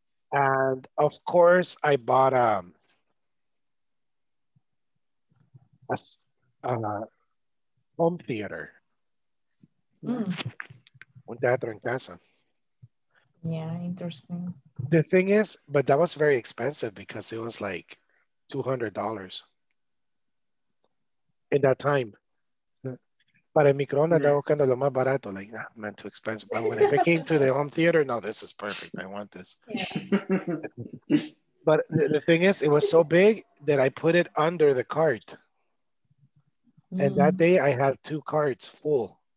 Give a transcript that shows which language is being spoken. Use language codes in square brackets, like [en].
[en] And of course, I bought a home theater. [es] Un teatro en casa. [en] Yeah, interesting. The thing is, but that was very expensive because it was like $200 in that time. [es] Para el microondas, estaba buscando lo más barato. [en] Like, nah, man, too expensive. But when I came to the home theater, no, this is perfect. I want this. Yeah. But the thing is, it was so big that I put it under the cart. And that day, I had two carts full.